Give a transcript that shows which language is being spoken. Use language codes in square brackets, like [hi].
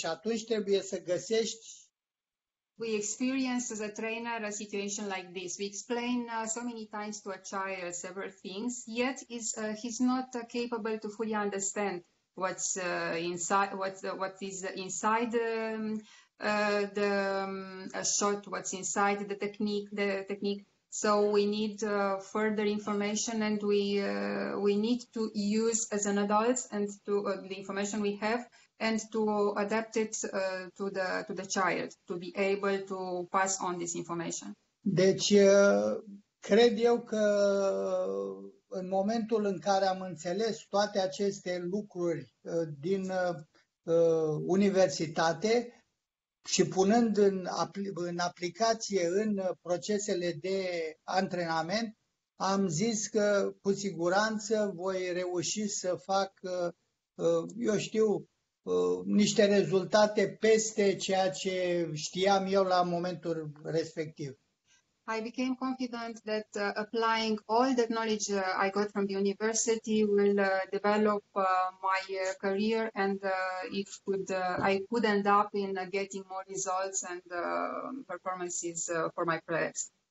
[ro] Și atunci trebuie să găsești. [en] We experience as a trainer a situation like this. We explain so many times to a child several things, yet he's not capable to fully understand what's inside the shot, what's inside the technique. So we need further information, and we need to use as an adult and to the information we have, and to adapt it to the child to be able to pass on this information. [ro] Deci cred eu că în momentul în care am înțeles toate aceste lucruri din universitate și punând în aplicație în procesele de antrenament, am zis că cu siguranță voi reuși să fac, eu știu, niște rezultate peste ceea ce știam eu la momentul respectiv. [en] I became confident that applying all the knowledge I got from the university will develop my career, and I could end up in getting more results and performances for my players.